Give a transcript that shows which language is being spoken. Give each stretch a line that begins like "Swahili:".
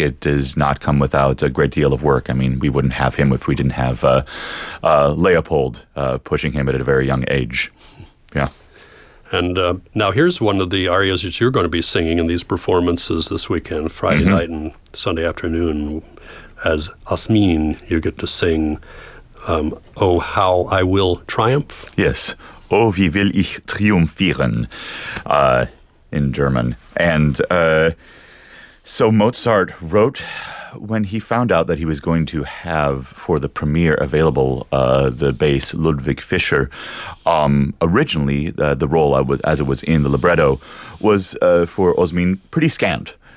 English: It does not come without a great deal of work. I mean, we wouldn't have him if we didn't have Leopold pushing him at a very young age. Yeah. And now here's one of the arias that you're going to be singing in these performances this weekend, Friday mm-hmm. night and Sunday afternoon. As Asmin, you get to sing, Oh, How I Will Triumph? Yes.
German: Oh, wie will ich triumphieren,
English: in German. And so Mozart wrote, when he found out that he was going to have for the premiere available the bass Ludwig Fischer, originally the role, as it was in the libretto, was for Osmin pretty scant.